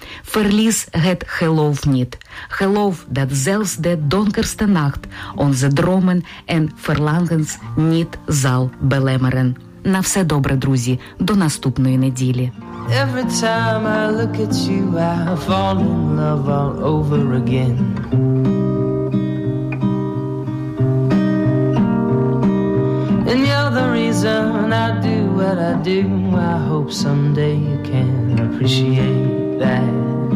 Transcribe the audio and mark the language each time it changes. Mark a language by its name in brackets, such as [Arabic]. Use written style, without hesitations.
[Dutch] Verlies het geloof niet. Geloof dat zelfs de donkerste nacht onze dromen en verlangens niet zal belemmeren. [Ukrainian] На все добре, друзі, до наступної неділі. [English] Every time I look at you, I fall in love all over again. And you're the reason I do what I do. I hope someday you can appreciate that.